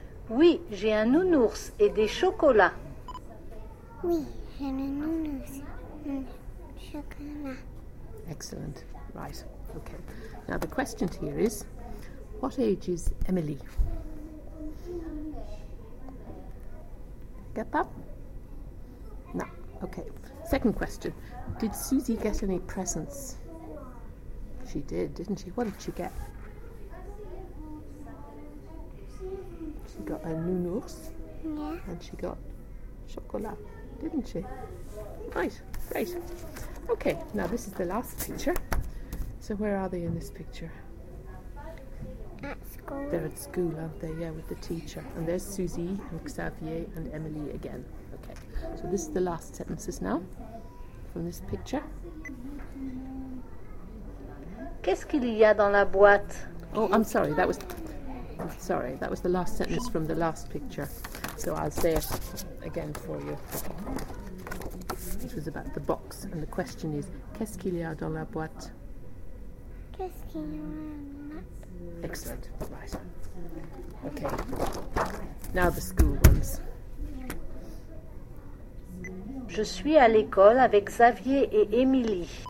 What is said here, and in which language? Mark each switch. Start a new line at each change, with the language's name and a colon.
French: Oui, j'ai un nounours et des chocolats. Oui, j'ai un nounours et des chocolats.
English: Excellent. Right. Okay. Now the question here is, what age is Emily? Get that? No. Okay. Second question. Did Suzy get any presents? She did, didn't she? What did she get? She got a nounours. Yeah. And she got chocolat, didn't she? Right. Great. Okay. Now this is the last picture. So where are they in this picture? at school. They're at school, aren't they? Yeah, with the teacher. And there's Susie and Xavier and Emily again. Okay. So this is the last sentences now from this picture.
French: Qu'est-ce qu'il y a dans la boîte?
English: Oh, I'm sorry. That was the last sentence from the last picture. So I'll say it again for you. This was about the box. And the question is,
French: qu'est-ce qu'il y a dans la boîte? Qu'est-ce qu'il y a dans la boîte?
English: Excellent. Right. Okay. Now the school ones.
French: Je suis à l'école avec Xavier et Émilie.